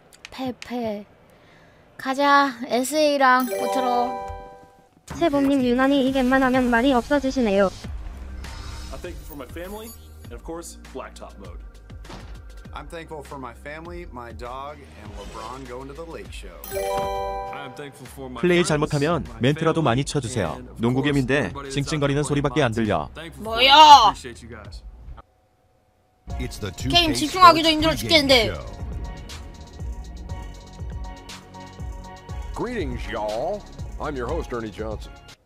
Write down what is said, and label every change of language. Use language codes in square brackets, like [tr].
[ko] 페페 가자. SA랑 코트로. 세범님 유난히 이겜만 하면 말이 없어지시네요. [en] I'm thankful for my family and of course blacktop mode. I'm thankful for my family, my dog and LeBron going to the lake show. I'm thankful for my [ko] 플레이 잘못하면 멘트라도 많이 쳐 주세요. 농구 게임인데 징징거리는 소리밖에 안 들려. 뭐야? [en] It's the [ko] 2K 게임 집중하기도 힘들어 죽겠는데. [en] Greetings y'all. I'm your host Ernie Johnson.